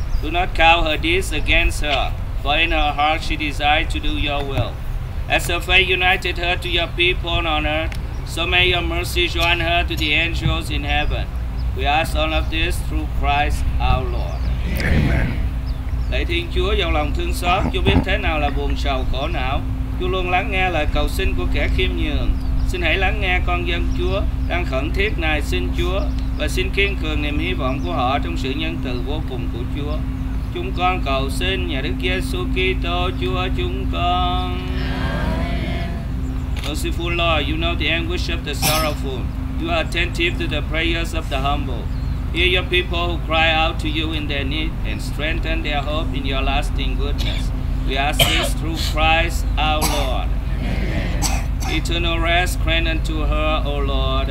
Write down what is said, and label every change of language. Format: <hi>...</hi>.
<en>Do not count her deeds against her, for in her heart she desired to do your will. As her faith united her to your people on earth, so may your mercy join her to the angels in heaven. We ask all of this through Christ our Lord. Amen.</en> <vi>Lạy Thiên Chúa, giàu lòng thương xót, Chúa biết thế nào là buồn sầu khổ não. Chúa luôn lắng nghe lời cầu xin của kẻ khiêm nhường. Xin hãy lắng nghe con dân Chúa đang khẩn thiết nài xin Chúa và xin kiên cường niềm hy vọng của họ trong sự nhân từ vô cùng của Chúa. Chúng con cầu xin nhà Đức Giêsu Kitô Chúa chúng con. Amen.</vi> <en>Merciful Lord, you know the anguish of the sorrowful. You are attentive to the prayers of the humble. Hear your people who cry out to you in their need and strengthen their hope in your lasting goodness. We ask this through Christ our Lord. Eternal rest grant unto her, O Lord.</en>